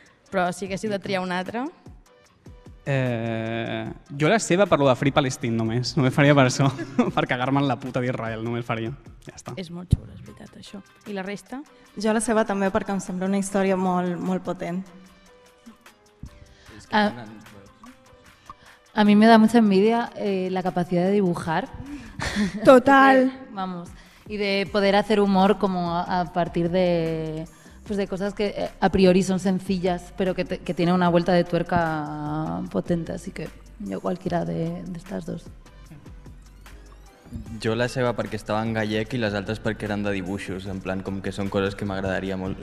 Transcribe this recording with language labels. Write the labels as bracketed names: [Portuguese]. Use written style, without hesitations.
[Catalan] Però si haguéssiu de triar una altra... Jo la seva per lo de [English] Free Palestine [Catalan] només, només faria per això, per cagar-me en la puta d'Israel, només faria, ja està. És molt xulo, és veritat, això. I la resta? Jo la seva també, perquè em sembla una història molt, molt potent. [Spanish] A mi me da mucha envidia la capacidad de dibujar. Total. Vamos, y de poder hacer humor como a partir de... Pues de cosas que a priori son sencillas, pero que tienen una vuelta de tuerca potente, así que yo cualquiera de estas dos. [Catalan] Jo la seva perquè estava en gallec i les altres perquè eren de dibuixos, en plan com que són coses que m'agradaria molt.